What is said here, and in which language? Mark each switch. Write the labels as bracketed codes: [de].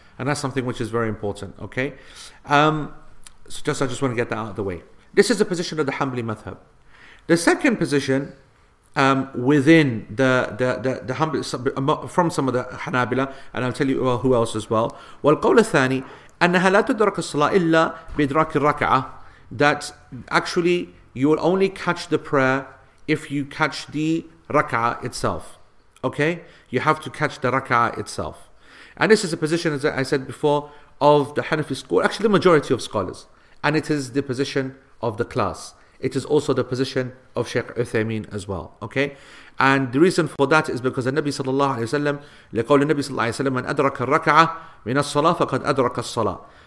[en] And that's something which is very important, okay? I just want to get that out of the way. This is the position of the Hanbali Madhab. The second position within the Hanbali, from some of the Hanabila, and I'll tell you who else as well. [ar] والقول الثاني أنها لا تدرك الصلاة إلا بإدراك الركعة. [en] That actually you will only catch the prayer if you catch the rak'ah itself. Okay? You have to catch the rak'ah itself. And this is a position, as I said before, of the Hanafi school, actually the majority of scholars. And it is the position of the class. It is also the position of Sheikh Uthaymeen as well. Okay? And the reason for that is because the Nabi sallallahu alayhi wa sallam, [ar] لقول النبي صلى الله عليه وسلم, من أدرك الركعة من الصلاة فقد أدرك الصلاة.